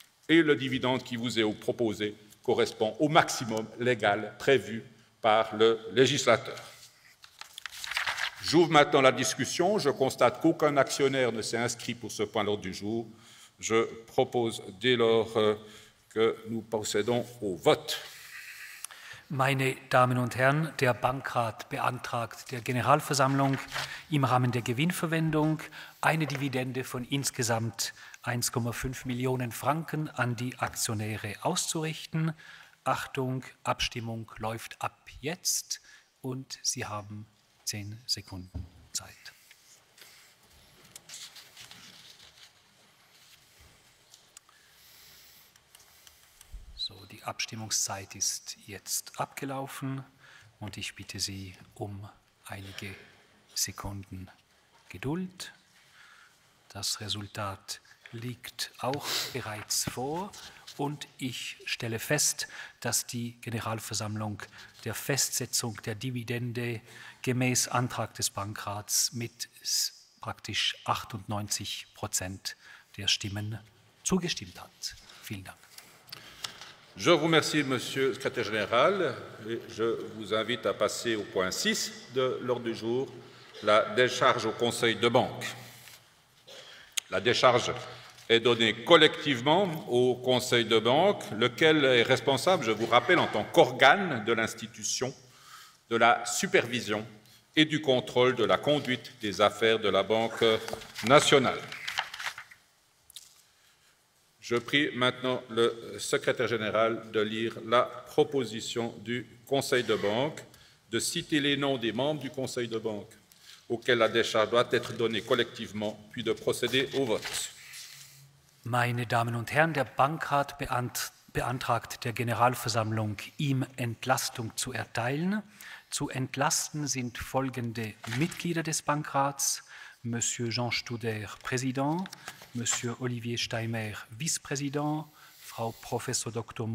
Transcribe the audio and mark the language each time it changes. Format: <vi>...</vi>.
<fr>Et le dividende qui vous est proposé correspond au maximum légal prévu par le législateur. J'ouvre maintenant la discussion. Je constate qu'aucun actionnaire ne s'est inscrit pour ce point à l'ordre du jour. Je propose dès lors que nous procédons au vote.</fr> <de>Meine Damen und Herren, der Bankrat beantragt der Generalversammlung im Rahmen der Gewinnverwendung eine Dividende von insgesamt 1,5 Millionen Franken an die Aktionäre auszurichten. Achtung, Abstimmung läuft ab jetzt und Sie haben 10 Sekunden Zeit. Die Abstimmungszeit ist jetzt abgelaufen und ich bitte Sie um einige Sekunden Geduld. Das Resultat liegt auch bereits vor und ich stelle fest, dass die Generalversammlung der Festsetzung der Dividende gemäß Antrag des Bankrats mit praktisch 98% der Stimmen zugestimmt hat. Vielen Dank.</de> <fr>Je vous remercie, Monsieur le Secrétaire Général, et je vous invite à passer au point 6 de l'ordre du jour, la décharge au Conseil de banque. La décharge est donnée collectivement au Conseil de banque, lequel est responsable, je vous rappelle, en tant qu'organe de l'institution, de la supervision et du contrôle de la conduite des affaires de la Banque nationale. Je prie maintenant le secrétaire général de lire la proposition du Conseil de banque, de citer les noms des membres du Conseil de banque auxquels la décharge doit être donnée collectivement, puis de procéder au vote.</fr> <de>Meine Damen und Herren, der Bankrat beantragt der Generalversammlung, ihm Entlastung zu erteilen. Zu entlasten sind folgende Mitglieder des Bankrats: Monsieur Jean Studer, Präsident. Monsieur Olivier Steimer, Vizepräsident, Frau Professor Dr.</de>